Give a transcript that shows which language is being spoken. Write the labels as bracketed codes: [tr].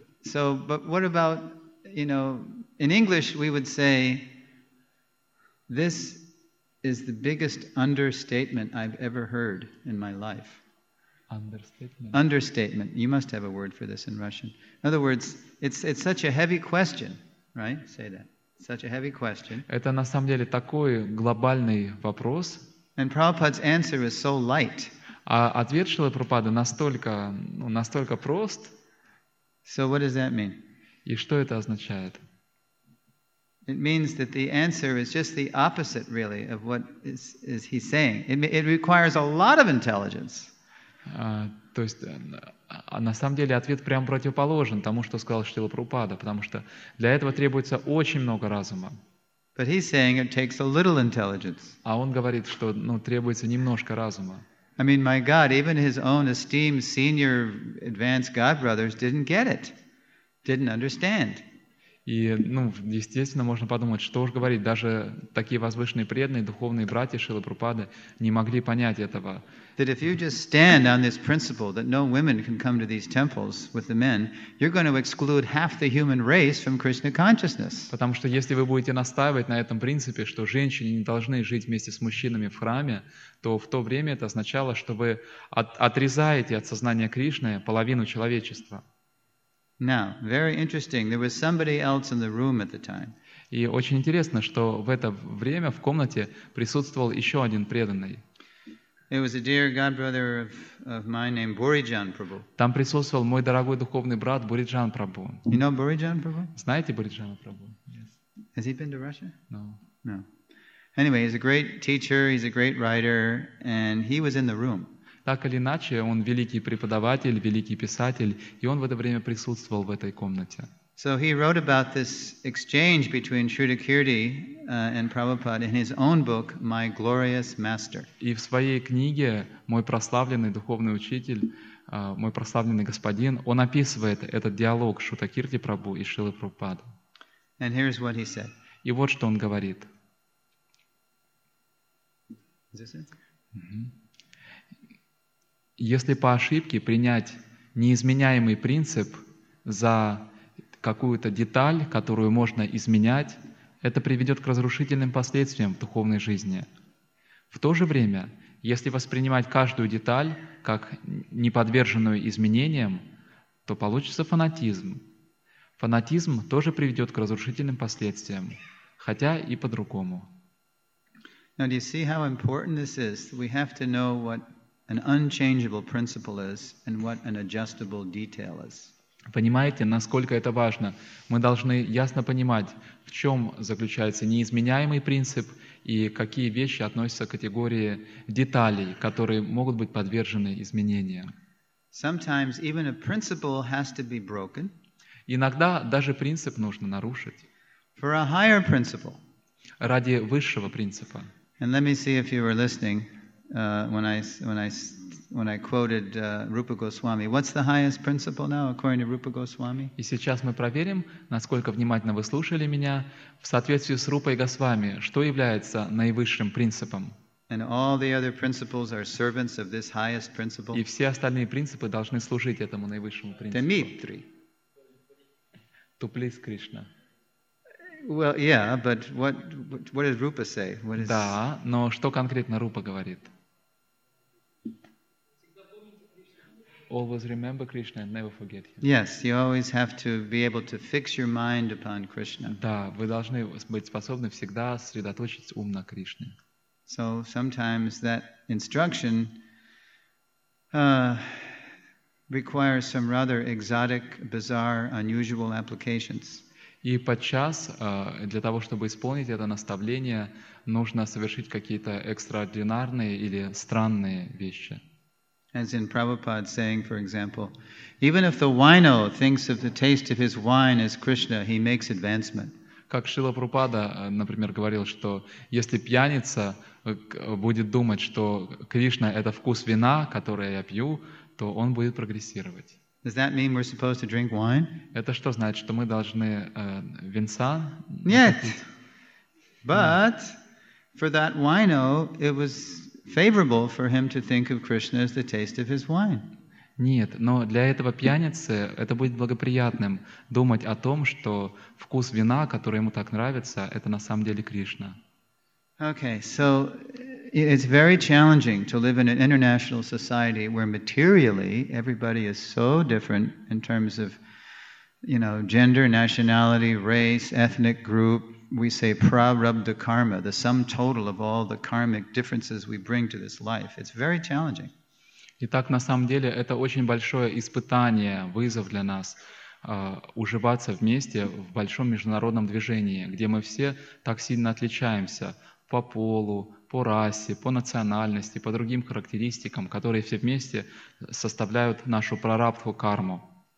[en] So, but what about, you know, in English we would say, this is the biggest understatement I've ever heard in my life. Understatement. Understatement. You must have a word for this in Russian. In other words, it's such a heavy question, right? Say that. Such a heavy question. [ru] Это на самом деле такой глобальный вопрос. [en] And Prabhupada's answer is so light. [ru] А ответ Шрилы Прабхупады настолько, ну, настолько прост. [en] So what does that mean? [ru] И что это означает? [en] It means that the answer is just the opposite, really, of what is he saying. It requires a lot of intelligence. [ru] То есть, на самом деле, ответ прямо противоположен тому, что сказал Шрила Прабхупада, потому что для этого требуется очень много разума. [en] But he's saying it takes a little intelligence. [ru] А он говорит, что, ну, требуется немножко разума. [en] I mean, my God, even his own esteemed senior advanced godbrothers didn't get it, didn't understand. [ru] И, ну, естественно, можно подумать, что уж говорить, даже такие возвышенные преданные духовные братья Шрилы Прабхупады не могли понять этого. [en] That if you just stand on this principle that no women can come to these temples with the men, you're going to exclude half the human race from Krishna consciousness. [ru] Потому что если вы будете настаивать на этом принципе, что женщины не должны жить вместе с мужчинами в храме, то в то время это означало, что вы отрезаете от сознания Кришны половину человечества. [en] Now, very interesting. There was somebody else in the room at the time. [ru] И очень интересно, что в это время в комнате присутствовал еще один преданный. [en] It was a dear godbrother of mine named Burijan Prabhu. [ru] Там присутствовал мой дорогой духовный брат Бориджан Прабху. [en] You know Бориджан Прабху? [ru] Знаете Бориджана Прабху? [en] Yes. Has he been to Russia? No. No. Anyway, he's a great teacher, he's a great writer, and he was in the room. [ru] Так или иначе, он великий преподаватель, великий писатель, и он в это время присутствовал в этой комнате. [en] So he wrote about this exchange between Shrutakirti and Prabhupada in his own book, My Glorious Master. [ru] И в своей книге «Мой прославленный духовный учитель, мой прославленный господин», он описывает этот диалог Шрутакирти Прабху и Шрилы Прабхупады. [en] And here's what he said. [ru] И вот что он говорит. [en] Is this it? [ru] Если по ошибке принять неизменяемый принцип за какую-то деталь, которую можно изменять, это приведет к разрушительным последствиям в духовной жизни. В то же время, если воспринимать каждую деталь как неподверженную изменениям, то получится фанатизм. Фанатизм тоже приведет к разрушительным последствиям, хотя и по-другому. [en] Now, do you see how important this is? We have to know what an unchangeable principle is and what an adjustable detail is. [ru] Понимаете, насколько это важно? Мы должны ясно понимать, в чем заключается неизменяемый принцип и какие вещи относятся к категории деталей, которые могут быть подвержены изменениям. [en] Sometimes even a principle has to be broken. [ru] Иногда даже принцип нужно нарушить. [en] For a higher principle. [ru] Ради высшего принципа. [en] And let me see if you were listening. When I quoted Rupa Goswami, what's the highest principle now according to Rupa Goswami? [ru] И сейчас мы проверим, насколько внимательно вы слушали меня в соответствии с Рупой Госвами, что является наивысшим принципом. [en] And all the other principles are servants of this highest principle. [ru] И все остальные принципы должны служить этому наивысшему принципу. [en] Dmitri. To please Krishna. Well, yeah, but what does Rupa say? What is... [ru] Да, но что конкретно Рупа говорит? [en] Always remember Krishna and never forget him. Yes, you always have to be able to fix your mind upon Krishna. [ru] Да, вы должны быть способны всегда сосредоточить ум на Кришне. [en] So sometimes that instruction requires some rather exotic, bizarre, unusual applications. [ru] И подчас, для того, чтобы исполнить это наставление, нужно совершить какие-то экстраординарные или странные вещи. [en] As in Prabhupada saying, for example, even if the wino thinks of the taste of his wine as Krishna, he makes advancement. [ru] Как Шрила Прабхупада, например, говорил, что если пьяница будет думать, что Кришна — это вкус вина, который я пью, то он будет прогрессировать. [en] Does that mean we're supposed to drink wine? [ru] Это что значит, что мы должны винца? Нет. [en] But For that wino, it was favorable for him to think of Krishna as the taste of his wine. [ru] Нет, но для этого пьяницы это будет благоприятным думать о том, что вкус вина, который ему так нравится, это на самом деле Кришна. [en] Okay, so it's very challenging to live in an international society where materially everybody is so different in terms of, you know, gender, nationality, race, ethnic group. We say prarabdha karma, the sum total of all the karmic differences we bring to this life. It's very challenging. [ru] Итак, на самом деле, это очень большое испытание, вызов для нас уживаться вместе в большом международном движении, где мы все так сильно отличаемся по полу, по расе, по национальности, по другим характеристикам, которые все вместе составляют нашу прарабдху карму.